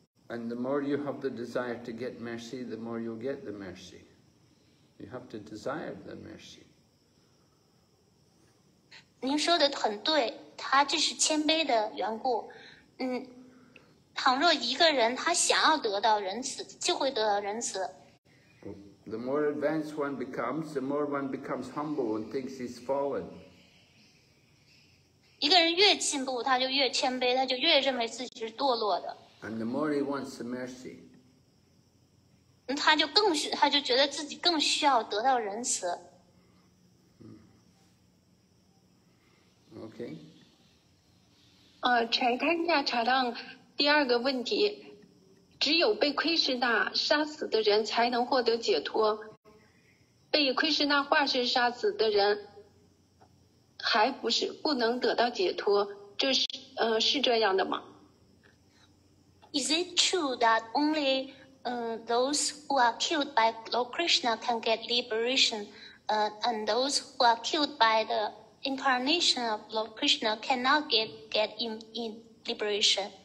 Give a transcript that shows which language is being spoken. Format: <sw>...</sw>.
<en>And the more you have the desire to get mercy, the more you'll get the mercy. You have to desire the mercy.</en> <zh>您说的很对，他这是谦卑的缘故。倘若一个人他想要得到仁慈，就会得到仁慈。</zh> <en>The more advanced one becomes, the more one becomes humble and thinks he's fallen.</en> <zh>一个人越进步，他就越谦卑，他就越认为自己是堕落的。</zh> <en>And the more he wants the mercy,</en> <zh>他就觉得自己更需要得到仁慈。</zh> <en>Okay.</en> <zh>Chaitanya Charang 第二个问题，只有被奎什纳杀死的人才能获得解脱，被奎什纳化身杀死的人。还不是不能得到解脱，这是是这样的吗</zh> <en>？Is it true that only those who are killed by Lord Krishna can get liberation, and those who are killed by the incarnation of Lord Krishna cannot get in liberation?</en>